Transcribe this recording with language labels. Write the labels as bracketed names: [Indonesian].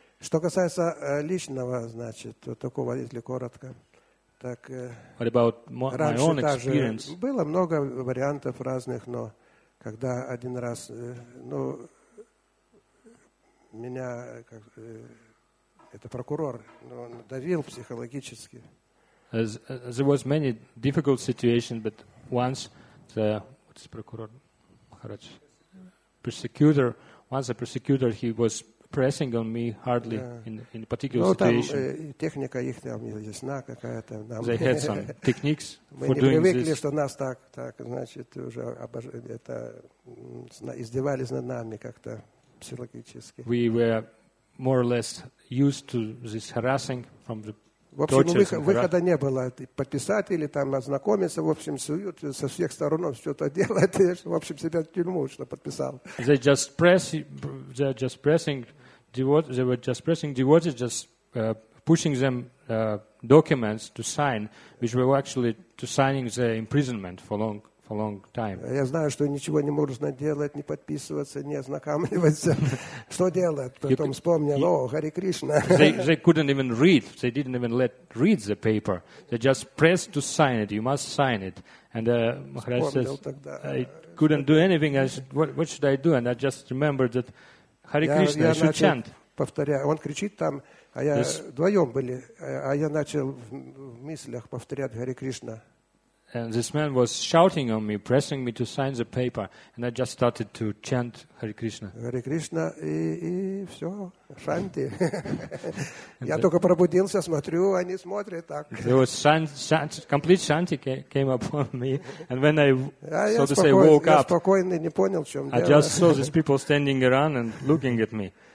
[Russian] Что касается личного, значит, вот такого, если коротко, так. [English] What about my own experience? [Russian] Было много вариантов разных, но когда один раз, ну, меня, как, это прокурор, но он давил психологически. [English] There was many difficult situations, but once the procurator, Maharaj, persecutor, once the persecutor, he was pressing on me hardly in a particular situation. [Russian] Техника их там ясна какая-то. [English] They had some techniques for doing this. [Russian] Мы не привыкли, что нас так, значит, уже это издевались над нами как-то психологически. [English] We were more or less used to this harassing from the. [Russian] В общем, выхода не было. Подписать или там ознакомиться, в общем, суют, со всех сторон что-то делать, в общем, себя в тюрьму, что подписал. [English] They were just pressing devotees, pushing them documents to sign, which were actually to signing the imprisonment for long for a long time. [Russian] Я знаю, что ничего не можно делать, не подписываться, не ознакомливаться. Что делать? Потом вспомнил, о, Хари Кришна. [English] They couldn't even read. They didn't even let read the paper. They just pressed to sign it. You must sign it. And Maharaj says, I couldn't do anything. I said, what should I do? And I just remembered that Хари Кришна, I should chant. [Russian] Повторяю, он кричит там, а я вдвоем были, а я начал в мыслях повторять Хари Кришна. [English] And this man was shouting on me, pressing me to sign the paper, and I just started to chant Hare Krishna. [Russian] Hare Krishna, и все, шанти. Я только пробудился, смотрю, они смотрят так. [English] There was complete shanti came upon me, and when I, so to say, woke up, I just saw these people standing around and looking at me.